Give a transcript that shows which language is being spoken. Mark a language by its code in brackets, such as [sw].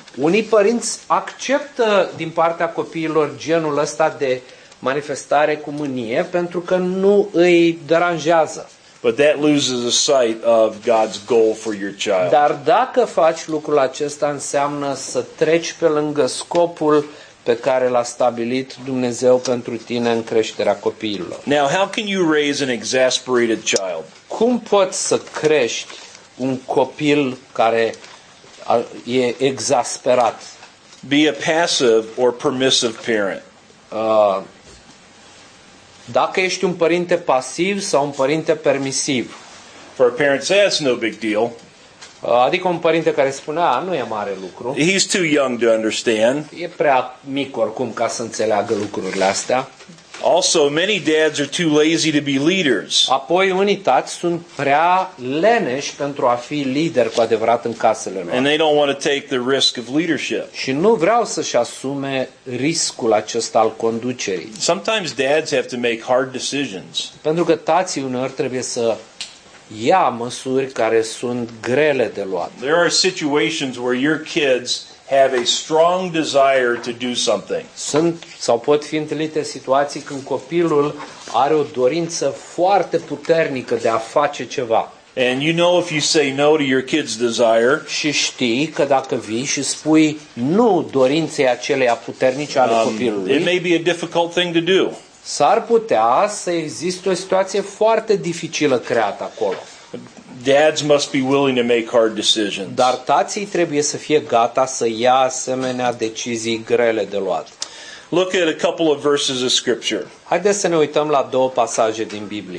[ro] Unii părinți acceptă din partea copiilor genul ăsta de manifestare cu mânie pentru că nu îi deranjează. [en] But that loses the sight of God's goal for your child. [ro] Dar dacă faci lucrul acesta înseamnă să treci pe lângă scopul pe care l-a stabilit Dumnezeu pentru tine în creșterea copiilor. [en] Now, how can you raise an exasperated child? [ro] Cum poți să crești un copil care e exasperat? [en] Be a passive or permissive parent. [ro] Dacă ești un părinte pasiv sau un părinte permisiv. [en] For a parent say it's no big deal. [ro] Adică un părinte care spune, a, nu e mare lucru. [en] He's too young to understand. [ro] E prea mic oricum ca să înțeleagă lucrurile astea. [en] Also, many dads are too lazy to be leaders. [ro] Apoi, unii tați sunt prea leneși pentru a fi lideri cu adevărat în casele lor. [en] And they don't want to take the risk of leadership. [ro] Și nu vreau să-și asume riscul acesta al conducerii. [en] Sometimes dads have to make hard decisions. [ro] Pentru că tații uneori trebuie să ia măsuri care sunt grele de luat. [en] There are situations where your kids have a strong desire to do something. [ro] Sunt sau pot fi întâlnite situații când copilul are o dorință foarte puternică de a face ceva. [en] And you know if you say no to your kid's desire, [ro] și știi că dacă vii și spui nu dorinței aceleia puternice ale copilului, [en] it may be a difficult thing to do. [ro] S-ar putea să existe o situație foarte dificilă creată acolo. [en] Dads must be willing to make hard decisions. [ro] Dar tații trebuie să fie gata să ia asemenea decizii grele de luat. [en] Look at a couple of verses of scripture. [ro] Haideți să ne uităm la două pasaje din Biblie.